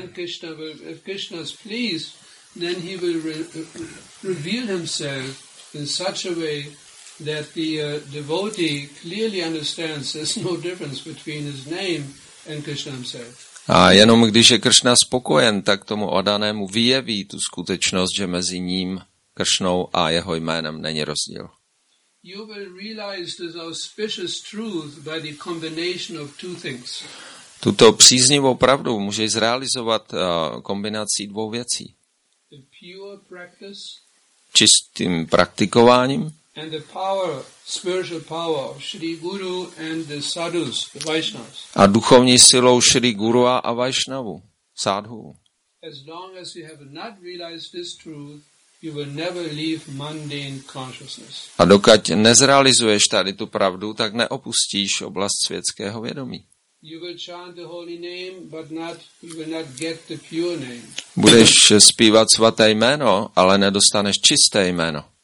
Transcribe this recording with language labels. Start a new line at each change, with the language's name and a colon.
English: Then Krishna will, if Krishna is pleased, then he will reveal himself in such a way that the devotee clearly understands there's no difference between his name and Krishna himself.
Czech: A jenom když je Krishna spokojen, tak tomu oddanému vyjeví tu skutečnost, že mezi ním, Krishnou a jeho jménem není rozdíl.
English: You will realize this auspicious truth by the combination of two things.
Czech: Tuto příznivou pravdu můžeš zrealizovat kombinací dvou věcí.
English: The pure practice,
Czech: čistým praktikováním,
English: and the power, spiritual power of Shri Guru and the sadhus, the Vaishnavas.
Czech: A duchovní silou Shri Guru a Vaishnavu, sadhu.
English: As long as you have not realized this truth, you will never leave mundane consciousness.
Czech: A dokud nezrealizuješ tady tu pravdu, tak neopustíš oblast světského vědomí.
English: You will chant the holy name, but not you will not get the pure name.
Czech: Budeš zpívat svaté jméno, ale nedostaneš čisté jméno.